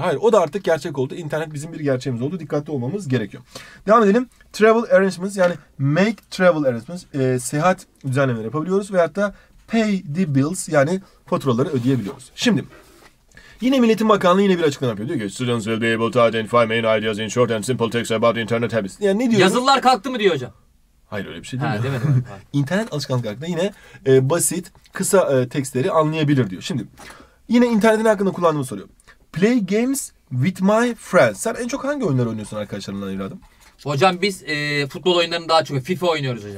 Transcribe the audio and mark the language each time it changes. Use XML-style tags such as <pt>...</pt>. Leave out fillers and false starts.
<tr>Hayır, o da artık gerçek oldu. İnternet bizim bir gerçeğimiz oldu. Dikkatli olmamız gerekiyor. Devam edelim. Travel arrangements, yani make travel arrangements, seyahat düzenlemeleri yapabiliyoruz veyahut da pay the bills, yani faturaları ödeyebiliyoruz. Şimdi yine Milli Eğitim Bakanlığı yine bir açıklama yapıyor. Diyor ki</tr> <en>students will be able to identify main ideas in short and simple text about internet habits.</en> <tr>Yani ne diyor? Yazılar kalktı mı diyor hocam? Hayır, öyle bir şey değil mi? Demedim. İnternet alışkanlıkları hakkında yine basit kısa tekstleri anlayabilir diyor. Şimdi yine internetin hakkında kullandığımı soruyor. Play games with my friends. Sen en çok hangi oyunları oynuyorsun arkadaşlarınla evladım? Hocam biz futbol oyunlarını daha çok FIFA oynuyoruz hocam.</tr>